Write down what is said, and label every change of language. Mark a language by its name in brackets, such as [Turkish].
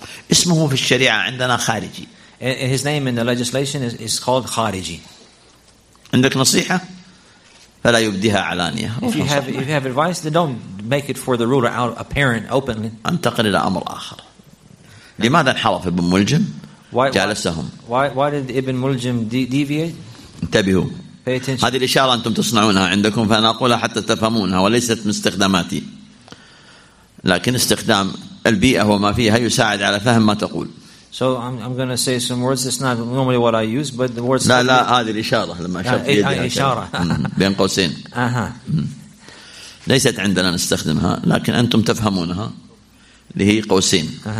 [Arabic] اسمه في الشريعة عندنا خارجي. [English] His name in the legislation is called خارجي. [Arabic] عندك نصيحة فلا يبديها علانية. [English] If you have advice, then don't make it for the ruler out apparent openly. [Arabic] انتقل إلى أمر آخر. لماذا انحرف ابن ملجم؟ جالسهم. [English] Why did Ibn Muljim deviate? [Arabic] انتبهوا. [English] Pay attention. [Arabic] هذه الإشارة أنتم تصنعونها عندكم فأنا أقولها حتى تفهمونها وليست من استخداماتي. لكن استخدام البيئة وما فيها يساعد على فهم ما تقول. [English] So I'm going to say some words. It's not normally what I use, but the words. [Arabic] لا لا هذه الإشارة لما شفت يدي. إشارة. بين قوسين. ليست عندنا نستخدمها لكن أنتم تفهمونها اللي هي قوسين.